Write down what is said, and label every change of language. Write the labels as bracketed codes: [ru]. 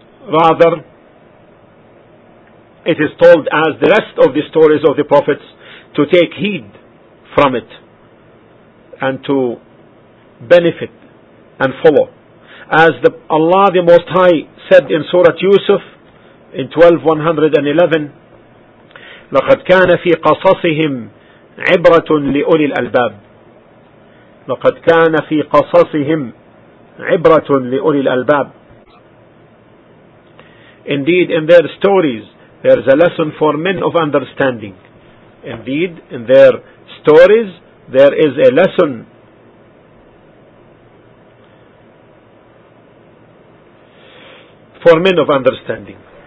[en] Rather, it is told as the rest of the stories of the prophets to take heed from it and to benefit and follow. As the Allah the Most High said in Surah Yusuf in 12:111, [ar] لَقَدْ كَانَ فِي قَصَصِهِمْ عِبْرَةٌ لِأُولِي الْأَلْبَابِ لَقَدْ كَانَ فِي قَصَصِهِمْ عِبْرَةٌ لِأُولِي الْأَلْبَابِ. [en] Indeed, in their stories, there is a lesson for men of understanding. Indeed, in their stories, there is a lesson for men of understanding.